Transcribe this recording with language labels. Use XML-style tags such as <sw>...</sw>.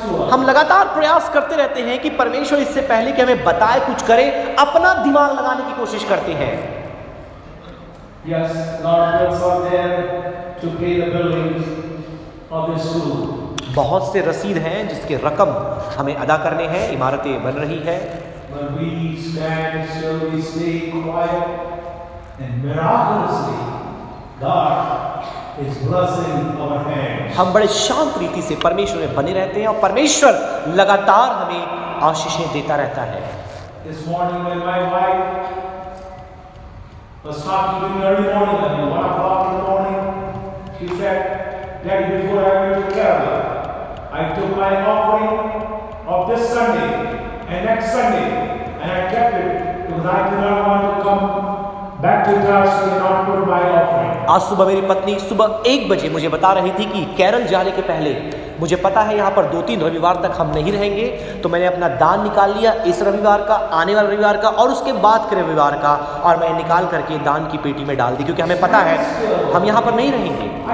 <hi>हम लगातार प्रयास करते रहते हैं कि परमेश्वर इससे पहले कि हमें बताए कुछ करे अपना दिमाग लगाने की कोशिश करते हैं।</hi> <en>Yes, Lord, what's out there to pay the billings of this school?</en> <hi>बहुत से रसीद हैं जिसके रकम हमें अदा करने हैं, इमारतें बन रही है।</hi> <en>But we stand still, we stay quiet, and miraculously, God is blessing our hands.</en> <hi>हम बड़े शांत रीति से परमेश्वर में बने रहते हैं और परमेश्वर लगातार हमें आशीषें देता रहता है।</hi> <en>This morning when my wife was talking to me every morning at 1 o'clock in the morning, she said, "Daddy, before I went to Kerala, I took my offering of this Sunday and next Sunday, and I kept it because I did not want to come."</en> <hi>आज सुबह मेरी पत्नी सुबह 1 बजे मुझे बता रही थी कि केरल जाने के पहले मुझे पता है यहाँ पर 2-3 रविवार तक हम नहीं रहेंगे, तो मैंने अपना दान निकाल लिया इस रविवार का, आने वाले रविवार का और उसके बाद के रविवार का, और मैं निकाल करके दान की पेटी में डाल दी क्योंकि हमें पता है हम यहाँ पर नहीं रहेंगे।</hi>